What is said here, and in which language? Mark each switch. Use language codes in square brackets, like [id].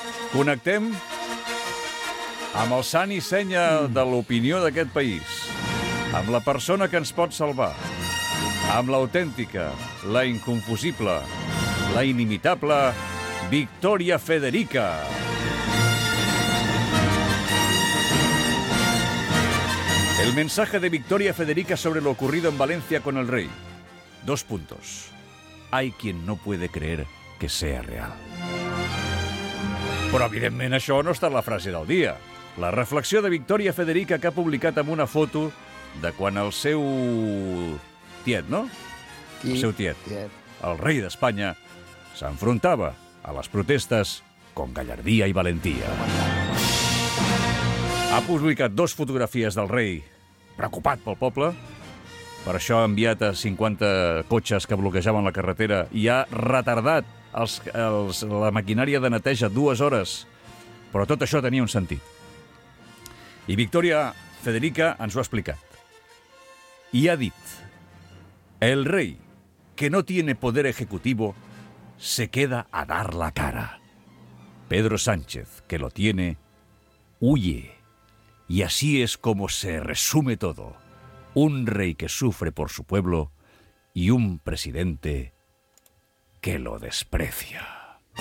[ca] Connectem amb el sant i senya de l'opinió d'aquest país, amb la persona que ens pot salvar, amb l'autèntica, la inconfusible, la inimitable Victoria Federica. [es] El mensaje de Victoria Federica sobre lo ocurrido en Valencia con el rey. Dos puntos. Hay quien no puede creer que sea real. [ca] Però, evidentment, això no està en la frase del dia. La reflexió de Victoria Federica, que ha publicat amb una foto de quan el seu tiet, no? Qui? El seu tiet. Tiet. El rei d'Espanya s'enfrontava a les protestes [es] con gallardia [ca] i valentia. Ha publicat dos fotografies del rei preocupat pel poble. Per això ha enviat a 50 cotxes que bloquejaven la carretera i ha retardat la maquinària de neteja 2 hores. Però tot això tenia un sentit. I Victoria Federica ens ho ha explicat. I ha dit: el rei, [es] que no tiene poder ejecutivo, se queda a dar la cara. Pedro Sánchez, que lo tiene, huye. Y así es como se resume todo. Un rey que sufre por su pueblo y un presidente que lo desprecia.